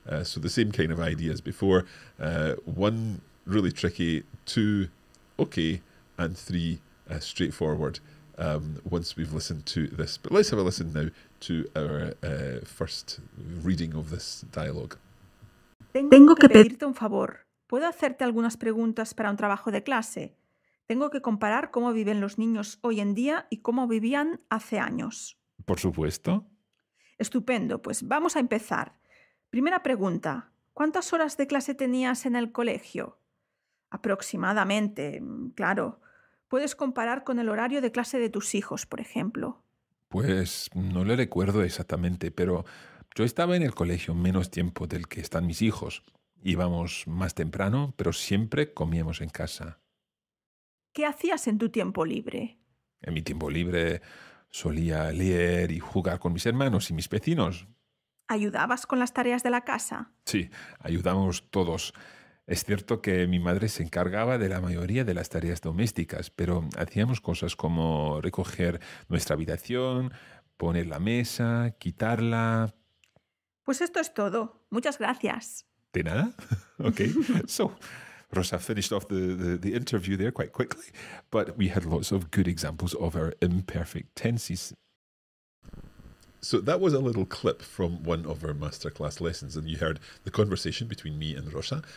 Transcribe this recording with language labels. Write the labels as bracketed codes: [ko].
[en] So the same kind of idea as before. One, really tricky. Two, okay. And three, straightforward once we've listened to this. But let's have a listen now to our first reading of this dialogue. [es] Tengo que pedirte un favor. ¿Puedo hacerte algunas preguntas para un trabajo de clase? Tengo que comparar cómo viven los niños hoy en día y cómo vivían hace años. Por supuesto. Estupendo, pues vamos a empezar. Primera pregunta. ¿Cuántas horas de clase tenías en el colegio? Aproximadamente, claro. Puedes comparar con el horario de clase de tus hijos, por ejemplo. Pues no le recuerdo exactamente, pero yo estaba en el colegio menos tiempo del que están mis hijos. Íbamos más temprano, pero siempre comíamos en casa. ¿Qué hacías en tu tiempo libre? En mi tiempo libre solía leer y jugar con mis hermanos y mis vecinos. ¿Ayudabas con las tareas de la casa? Sí, ayudamos todos. Es cierto que mi madre se encargaba de la mayoría de las tareas domésticas, pero hacíamos cosas como recoger nuestra habitación, poner la mesa, quitarla... Pues esto es todo. Muchas gracias. De nada. Okay. [en] So, Rosa finished off the interview there quite quickly, but we had lots of good examples of our imperfect tenses. So that was a little clip from one of our masterclass lessons, and you heard the conversation between me and Rosa.